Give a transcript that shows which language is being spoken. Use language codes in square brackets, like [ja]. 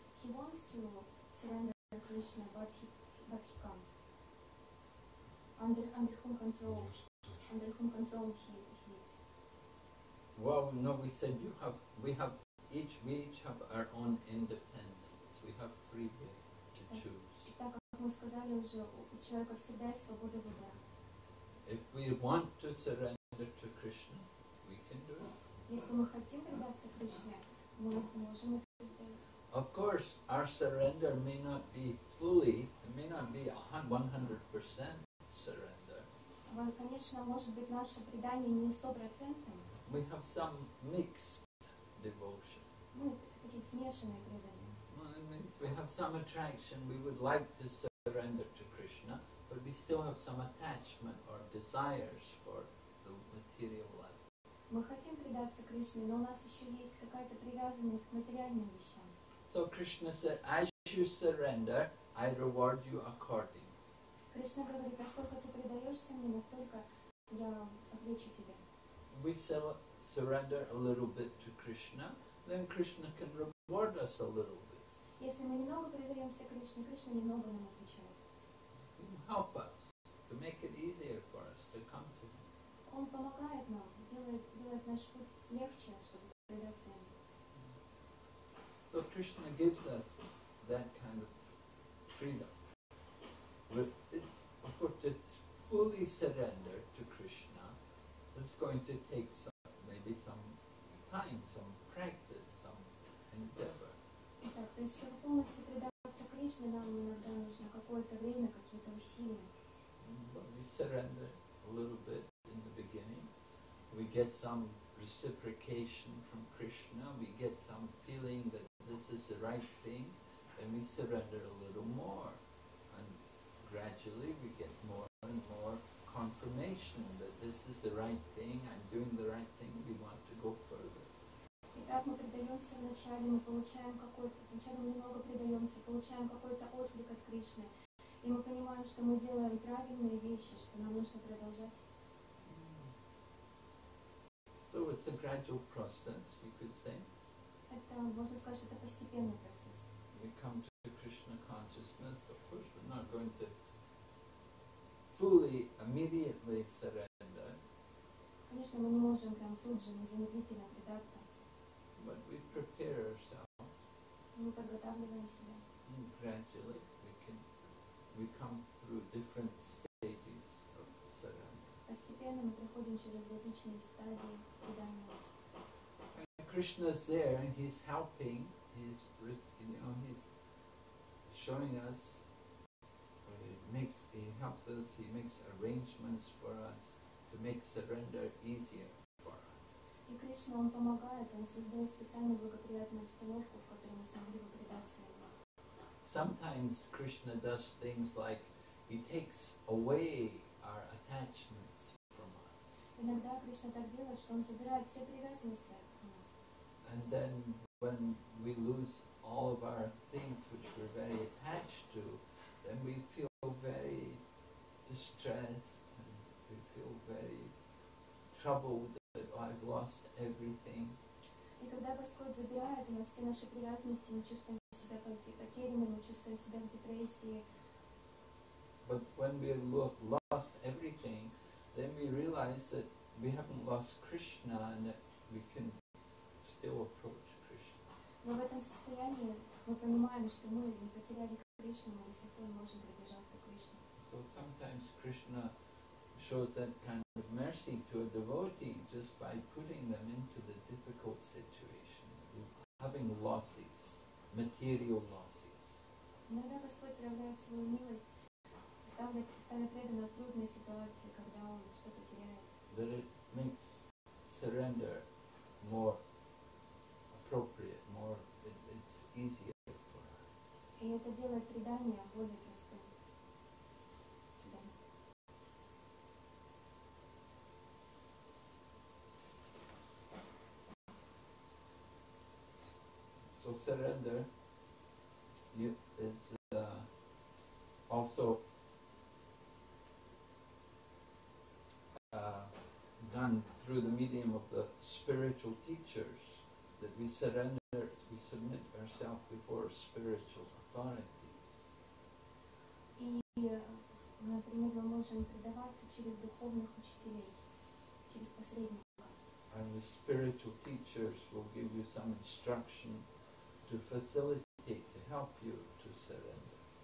[en] He wants to surrender Krishna, but he can't. Under whom control? Under whom control he is? Well, no, we said we each have our own independence. We have free will to choose. [ru] Так как мы сказали уже, у человека всегда есть свобода выбора. [en] If we want to surrender to Krishna, we can do it. [ru] Если мы хотим предаться Кришне, мы можем это сделать. [en] Of course, our surrender may not be fully, it may not be 100% surrender. [ru] Конечно, может быть наше предание не 100%. [en] We have some mixed devotion. [ru] Мы такие смешанные предания. [en] Well, it means we have some attraction. We would like to surrender to Krishna, but we still have some attachment or desires for the material life. [ru] Мы хотим предаться Кришне, но у нас еще есть какая-то привязанность к материальным вещам. [en] So Krishna said, as you surrender, I reward you according. [ru] Кришна говорит, насколько ты предаешься мне, настолько я отвечу тебе. [en] We surrender a little bit to Krishna, then Krishna can reward us a little bit. [ru] Если мы немного предаемся Кришне, Кришна немного нам отвечает. [en] Help us to make it easier for us to come to Him. [ru] Он помогает нам, делает наш путь легче, чтобы предаться Ему. [en] So Krishna gives us that kind of freedom. But it's of course to fully surrender to Krishna. It's going to take some time, some practice, some endeavor. [ru] Итак, то есть, чтобы полностью предаться Кришне, нам иногда нужно какое-то время, какие-то усилия. [en] But we surrender a little bit in the beginning. We get some reciprocation from Krishna. We get some feeling that this is the right thing. Then we surrender a little more. And gradually we get more and more confirmation that this is the right thing, I'm doing the right thing, we want to go further. [ru] Итак, мы предаемся вначале, мы получаем какой-то, вначале мы немного предаемся, получаем какой-то отклик от Кришны, и мы понимаем, что мы делаем правильные вещи, что нам нужно продолжать. [en] So it's a gradual process, you could say. [ru] Это, можно сказать, что это постепенный процесс. [en] We come to Krishna consciousness, of course, we're not going to fully, immediately surrender. [ru] Конечно, мы не можем прям тут же незамедлительно предаться. [en] But we prepare ourselves. [ru] Мы подготавливаем себя. [en] And gradually we come through different stages of surrender. [ru] Постепенно мы проходим через различные стадии предания. [en] And Krishna's there and he's helping, he's, you know, he's showing us. He helps us, he makes arrangements for us to make surrender easier for us. [ru] И Кришна, Он помогает, Он создает специальную благоприятную обстановку, в которой мы смогли бы предаться Ему. [en] Sometimes Krishna does things like He takes away our attachments from us. [ru] Иногда Кришна так делает, что Он забирает все привязанности от нас. [en] And then when we lose all of our things which we're very attached to, then we feel very distressed and we feel very troubled that I've lost everything. [ru] И когда Господь забирает у нас все наши привязанности, мы чувствуем себя потерянными, мы чувствуем себя в депрессии. [en] But when we lost everything, then we realize that we haven't lost Krishna and that we can still approach Krishna. [ru] Но в этом состоянии мы понимаем, что мы не потеряли Кришну, мы до сих пор можем приближаться к Кришне. [en] So sometimes Krishna shows that kind of mercy to a devotee just by putting them into the difficult situation, having losses, material losses. [ru] Иногда Господь проявляет свою милость, ставит преданного в трудной ситуации, когда он что-то теряет. [en] That it makes surrender more appropriate, more it's easier. [ru] И это делает предание более простым. [en] So surrender is also done through the medium of the spiritual teachers, that we surrender, we submit ourselves before spiritual authorities. [ru] И, например, мы можем предаваться через духовных учителей, через посредников. [en] And the spiritual teachers will give you some instruction to facilitate, to help you to surrender.